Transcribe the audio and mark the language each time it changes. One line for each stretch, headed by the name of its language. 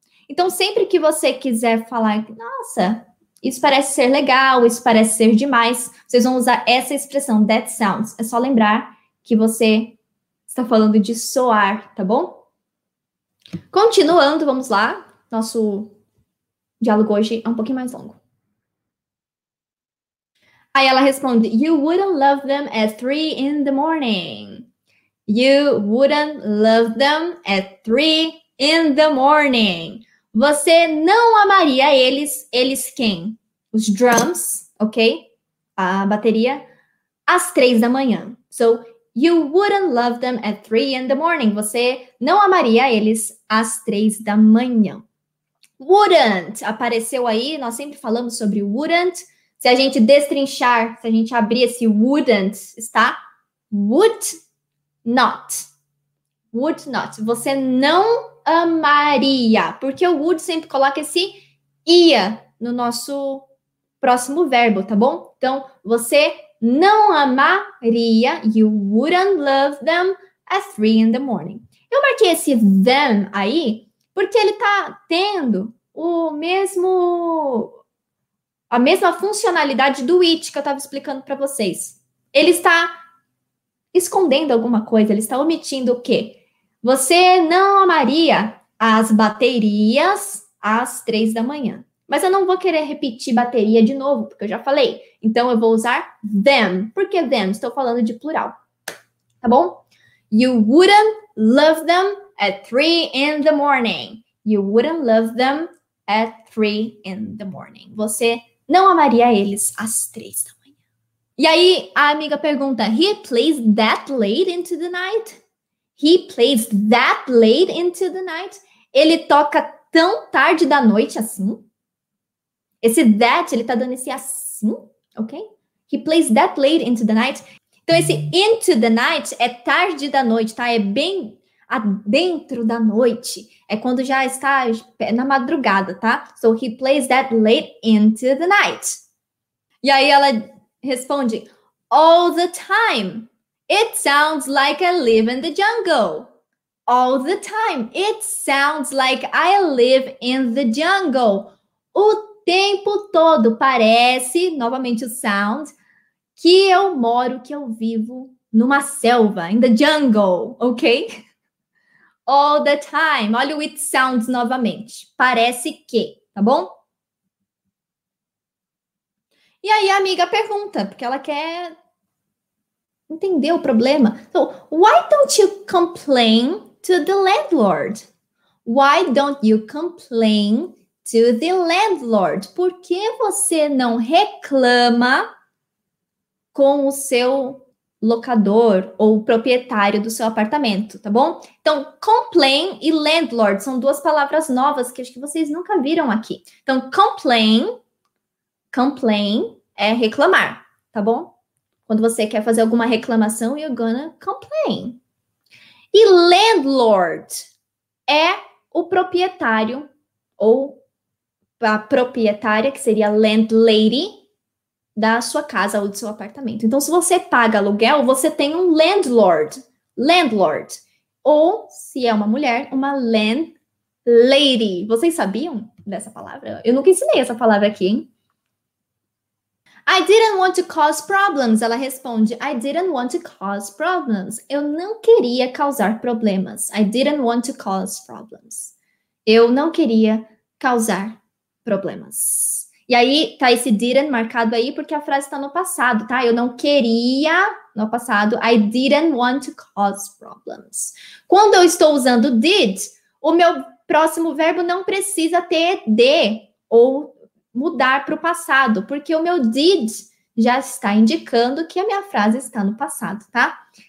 Portuguese: Então, sempre que você quiser falar, nossa, isso parece ser legal, isso parece ser demais, vocês vão usar essa expressão, that sounds. É só lembrar que você está falando de soar, tá bom? Continuando, vamos lá. Nosso diálogo hoje é um pouquinho mais longo. Aí ela responde:
English: You wouldn't love them at 3 in the morning. You wouldn't love them at 3 in the morning.
Portuguese: Você não amaria eles. Eles quem? Os drums, ok? A bateria. Às 3 da manhã.
English: So, you wouldn't love them at 3 in the morning.
Portuguese: Você não amaria eles às 3 da manhã. Wouldn't. Apareceu aí. Nós sempre falamos sobre wouldn't. Se a gente destrinchar, se a gente abrir esse wouldn't, está would not. Would not. Você não amaria. Porque o would sempre coloca esse ia no nosso próximo verbo, tá bom? Então, você não amaria.
English: You wouldn't love them at 3 in the morning.
Portuguese: Eu marquei esse them aí porque ele tá tendo o mesmo. A mesma funcionalidade do it que eu estava explicando para vocês. Ele está escondendo alguma coisa, ele está omitindo o quê? Você não amaria as baterias às 3 da manhã. Mas eu não vou querer repetir bateria de novo, porque eu já falei. Então eu vou usar them. Por que them? Estou falando de plural. Tá bom?
English: You wouldn't love them at 3 in the morning. You wouldn't love them at 3 in the morning.
Portuguese: Você. Não amaria eles às 3 da manhã. E aí, a amiga pergunta:
English: He plays that late into the night? He plays that late into the night?
Portuguese: Ele toca tão tarde da noite assim? Esse that, ele tá dando esse assim, ok?
English: He plays that late into the night.
Portuguese: Então, esse into the night é tarde da noite, tá? É bem. dentro da noite. É quando já está na madrugada, tá?
English: So he plays that late into the night.
Portuguese: E aí ela responde,
English: all the time. It sounds like I live in the jungle. All the time. It sounds like I live in the jungle.
Portuguese: O tempo todo parece, novamente o sound, que eu moro, que eu vivo numa selva,
English: in the jungle,
Portuguese: ok?
English: All the time.
Portuguese: Olha o it sounds novamente. Parece que, tá bom? E aí a amiga pergunta, porque ela quer entender o problema.
English: So, why don't you complain to the landlord? Why don't you complain to the landlord?
Portuguese: Por que você não reclama com o seu locador ou proprietário do seu apartamento, tá bom? Então, complain e landlord são duas palavras novas que acho que vocês nunca viram aqui. Então, complain é reclamar, tá bom? Quando você quer fazer alguma reclamação,
English: you're gonna complain.
Portuguese: E landlord é o proprietário ou a proprietária, que seria landlady, da sua casa ou do seu apartamento. Então, se você paga aluguel, você tem um landlord. Landlord. Ou, se é uma mulher, uma landlady. Vocês sabiam dessa palavra? Eu nunca ensinei essa palavra aqui, hein?
English: I didn't want to cause problems.
Portuguese: Ela responde,
English: I didn't want to cause problems.
Portuguese: Eu não queria causar problemas.
English: I didn't want to cause problems.
Portuguese: Eu não queria causar problemas. E aí, tá esse didn't marcado aí, porque a frase tá no passado, tá? Eu não queria, no passado,
English: I didn't want to cause problems.
Portuguese: Quando eu estou usando did, o meu próximo verbo não precisa ter d ou mudar para o passado, porque o meu did já está indicando que a minha frase está no passado, tá?